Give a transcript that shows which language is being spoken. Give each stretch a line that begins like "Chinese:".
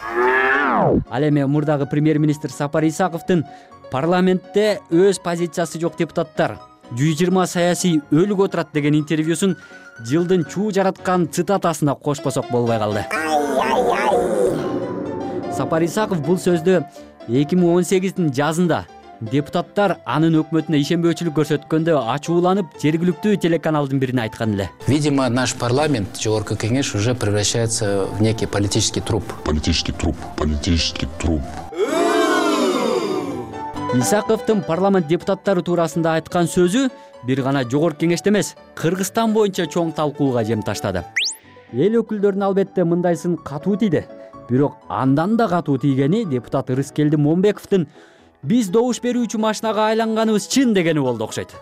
Kyrgyz: Ал эми мурдагы премьер-министр Сапар Исаковдун парламентте өз позициясы жок депутаттар 120 саясий өлүк отурат деген интервьюсун жылдын чуу жараткан цитатасына кошпосок болбой калды. Сапар Исаков бул сөздү 2018 жазында депутаттар анын өкмөтүнө ишенбөөчүлүк көрсөткөндө ачууланып жергиликтүү телеканалдын бирине айткан эле.
Russian: Видимо, наш парламент, жогорку кеңеш уже превращается в некий политический труп. Политический труп. Политический труп.
Kyrgyz: Исаковдун парламент депутаттары туурасында айткан сөзү бир гана жогорку кеңеште эмес, Кыргызстан боюнча чоң талкууга жем таштады. Эл өкүлдөрүн албетте мындайсын катуу тийди. Бирок андан да катуу тийгени депутат Рыскелди Момбековдун биз добуш берүүчү машинага айланганыбыз чын дегени болду окшойт.